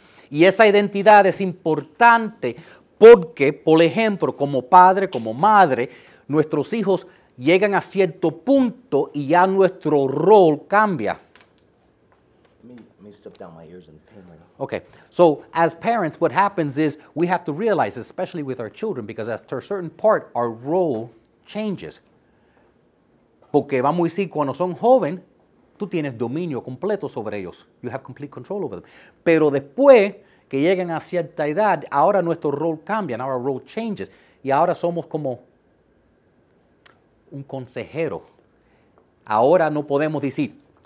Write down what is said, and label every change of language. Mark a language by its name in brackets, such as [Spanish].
[Spanish] Y esa identidad es importante porque, por ejemplo, como padre, como madre, nuestros hijos llegan a cierto punto y ya nuestro rol cambia. [English] Let me step down my ears in the pain right now. Okay, so as parents, what happens is we have to realize, especially with our children, because after a certain part, our role changes. [Spanish] Porque vamos a decir, cuando son joven, tú tienes dominio completo sobre ellos. [English] You have complete control over them. [Spanish] Pero después que llegan a cierta edad, ahora nuestro role cambia, [English] now our role changes. [Spanish] Y ahora somos como un consejero. Ahora no podemos decir,